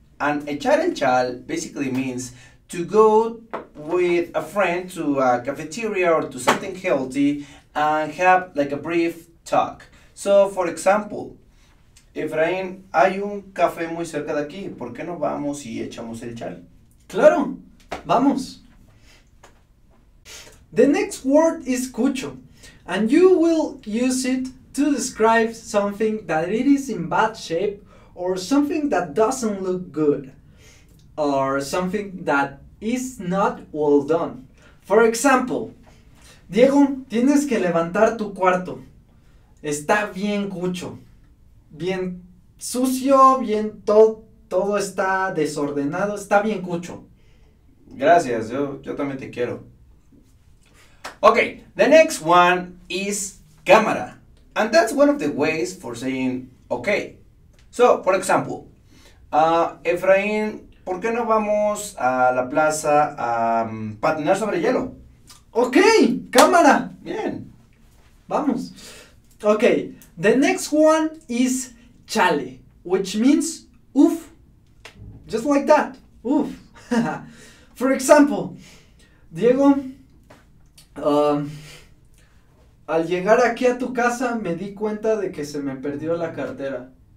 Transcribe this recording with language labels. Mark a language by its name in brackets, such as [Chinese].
[English] And echar el chal basically means to go with a friend to a cafeteria or to something healthy and have like a brief talk. So, for example, [Spanish] Efraín, hay un café muy cerca de aquí. ¿Por qué no vamos y echamos el chal? Claro, vamos. [English] The next word is cucho. And you will use it to describe something that it is in bad shape or something that doesn't look good or something that is not well done. For example, [Spanish] Diego, tienes que levantar tu cuarto. Está bien cucho. Bien sucio, bien, todo está desordenado, está bien cucho. Gracias, yo también te quiero. [English] Ok, the next one is cámara. And that's one of the ways for saying ok. So, for example, [Spanish] Efraín, ¿por qué no vamos a la plaza a patinar sobre hielo? Ok, cámara. Bien, vamos. [English] Ok, the next one is chale, which means uff. Just like that, uff. For example, [Spanish] Diego, al llegar aquí a tu casa me di cuenta de que se me perdió la cartera.